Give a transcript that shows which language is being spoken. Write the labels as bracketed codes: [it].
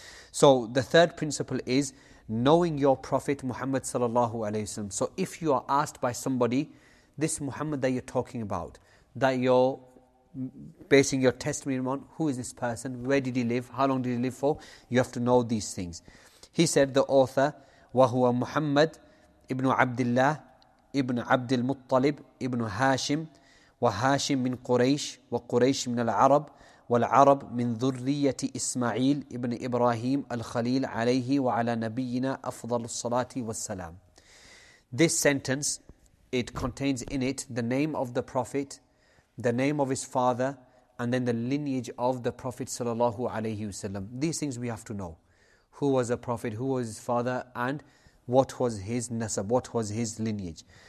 [en] So the third principle is knowing your Prophet Muhammad sallallahu alaihi wasallam. So if you are asked by somebody, this Muhammad that you're talking about, that you're basing your testimony on, who is this person, where did he live, how long did he live for, you have to know these things. He said, the author, [ar] وَهُوَ Muhammad ibn Abdullah ibn Abd al-Muttalib ibn Hashim, وَهَاشِمْ مِنْ قُرَيْشِ وَقُرَيْشِ مِنَ الْعَرَبِ وَالْعَرَبِ مِنْ ذُرِّيَّةِ إِسْمَعِيلِ إِبْنِ إِبْرَاهِيمِ الْخَلِيلِ عَلَيْهِ وَعَلَى نَبِيِّنَا أَفْضَلُ الصَّلَاةِ وَالسَّلَامِ. [en] This sentence, it contains in it the name of the Prophet, the name of his father, and then the lineage of the Prophet sallallahu alayhi wasallam. These things we have to know. Who was the Prophet, who was his father, and what was his nasab, what was his lineage.